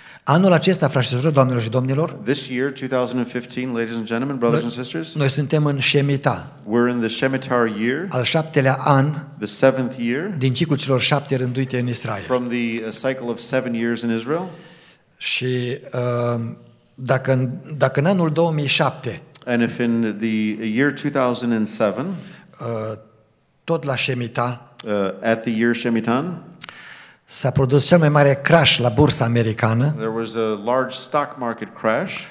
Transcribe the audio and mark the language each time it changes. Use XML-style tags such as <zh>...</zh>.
<ro>Anul acesta, frașilor, doamnelor și domnilor,</ro> <en>this year, 2015, ladies and gentlemen, brothers and sisters,</en> <ro>noi suntem în Shemitah.</ro> <en>We're in the Shemitar year,</en> <ro>al 7-lea an,</ro> <en>the 7th year,</en> <ro>din ciclul celor 7 rânduite în Israel.</ro> <en>From the cycle of 7 years in Israel.</en> <ro>Și dacă în anul 2007,</ro> <en>and if in the year 2007,</en> <ro>tot la Shemitah,</ro> <en>at the year Shemitah,</en> <ro>s-a produs cel mai mare crash la bursa americană.</ro> <en>There was a large stock market crash.</en>